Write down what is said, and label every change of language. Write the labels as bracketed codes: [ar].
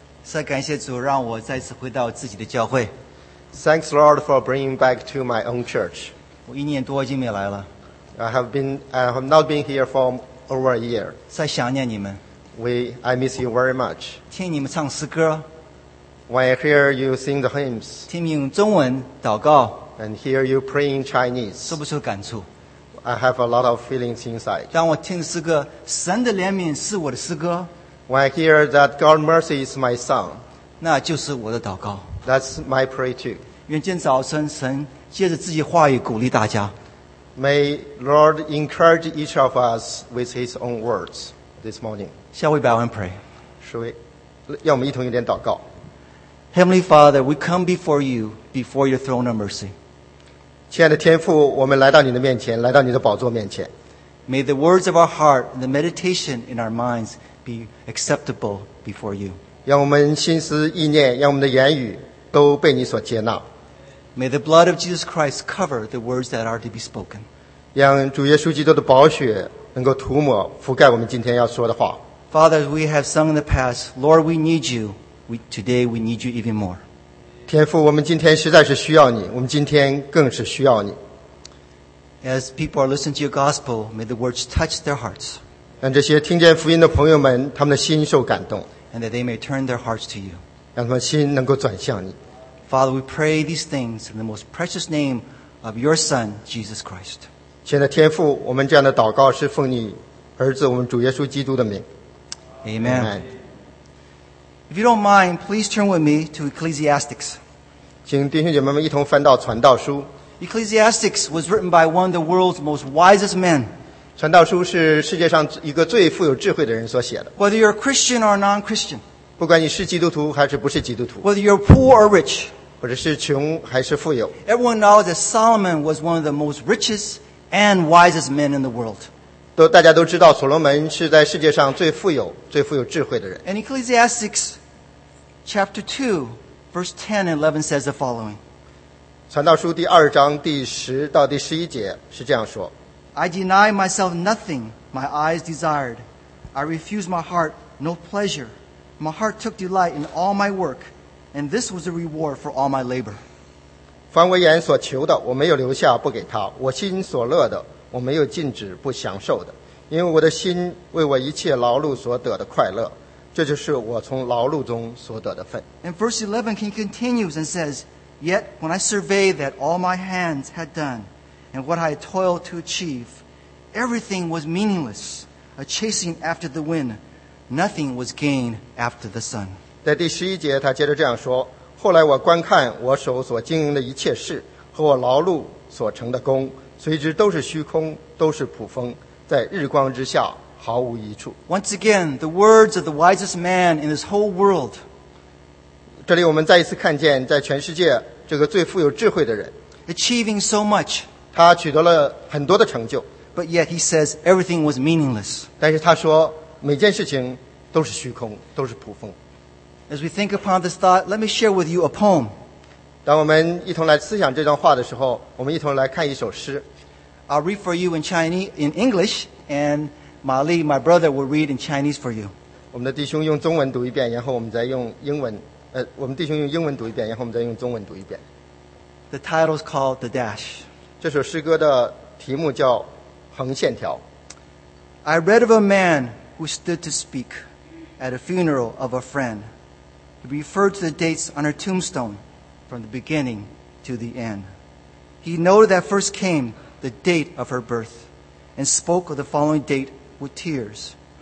[zh] 再感谢主，让我再次回到自己的教会。 [en] Thanks, Lord, for bringing back to my own church. [zh] 我一年多已经没来了。 [en] I have not been here for over a year. [zh] 在想念你们。 [en] I miss you very much. [zh] 听你们唱诗歌。 [en] When I hear you sing the hymns. [zh] 听你用中文祷告。 [en] And hear you pray in Chinese. [zh] 受不受感触？ [en] I have a lot of feelings inside. [zh] 当我听诗歌，神的怜悯是我的诗歌。 [en] When I hear that God's mercy is my song, [zh] 那就是我的祷告。 [en] That's my prayer too. [zh] 愿今早晨神借着自己话语鼓励大家。 [en] May Lord encourage each of us with His own words this morning. [zh] 下位百万 [en] pray. [zh] 是为，让我们一同一点祷告。 [en] Heavenly Father, we come before you, before your throne of mercy. [zh] 亲爱的天父，我们来到你的面前，来到你的宝座面前。 [en] May the words of our heart and the meditation in our minds be acceptable before you. [zh] 让我们心思意念，让我们的言语都被你所接纳。 [en] May the blood of Jesus Christ cover the words that are to be spoken. [zh] 让主耶稣基督的宝血能够涂抹覆盖我们今天要说的话。 [en] Father, we have sung in the past, Lord, we need you. Today we need you even more. [zh] 天父，我们今天实在是需要你，我们今天更是需要你。 [en] As people are listening to your gospel, may the words touch their hearts. [zh] 让这些听见福音的朋友们，他们的心受感动。 [en] And that they may turn their hearts to you. [zh] 让他们心能够转向你。 [en] Father, we pray these things in the most precious name of your Son, Jesus Christ. [zh] 亲爱的天父，我们这样的祷告是奉你儿子我们主耶稣基督的名。 [en] Amen. Amen. If you don't mind, please turn with me to Ecclesiastes. [zh] 请弟兄姐妹们一同翻到传道书。 [en] Ecclesiastes was written by one of the world's most wisest men. [zh] 传道书是世界上一个最富有智慧的人所写的。 [en] Whether you're a Christian or a non-Christian. [zh] 不管你是基督徒还是不是基督徒。 [en] Whether you're poor or rich. [zh] 或者是穷还是富有。 [en] Everyone knows that Solomon was one of the most richest and wisest men in the world. [zh] 大家都知道所罗门是在世界上最富有智慧的人。 [en] And Ecclesiastes chapter 2 verse 10 and 11 says the following. [zh] 传道书第二章第十到第十一节是这样说 [en] I deny myself nothing my eyes desired. I refuse my heart no pleasure. My heart took delight in all my work, and this was the reward for all my labor. [zh] 凡我眼所求的我没有留下不给他，我心所乐的我没有禁止不享受的，因为我的心为我一切劳碌所得的快乐，这就是我从劳碌中所得的份。 [en] And verse 11 he continues and says,Yet when I survey that all my hands had done, and what I had toiled to achieve, everything was meaningless, a chasing after the wind. Nothing was gained after the sun. [zh] 在第十一节，他接着这样说：后来我观看我手所经营的一切事和我劳碌所成的功，随之都是虚空，都是普风，在日光之下毫无益处。 [en] Once again, the words of the wisest man in this whole world. [zh] 这里我们再一次看见在全世界这个最富有智慧的人 [en] Achieving so much [zh] 他取得了很多的成就 [en] But yet he says everything was meaningless [zh] 但是他说每件事情都是虚空都是普风 [en] As we think upon this thought let me share with you a poem [zh] 当我们一同来思想这段话的时候我们一同来看一首诗 [en] I'll read for you in Chinese in English and Ma Li my brother will read in Chinese for you [zh] 我们的弟兄用中文读一遍然后我们再用英文我们弟兄用英文读一遍，然后我们再用中文读一遍。 [en] The title is called The Dash. [zh] 这首诗歌的题目叫《横线条》。 [en] I read of a man who stood to speak at a funeral of a friend. He referred to the dates on her tombstone from the beginning to the end. He noted that first came the date of her birth and spoke of the following date with tears.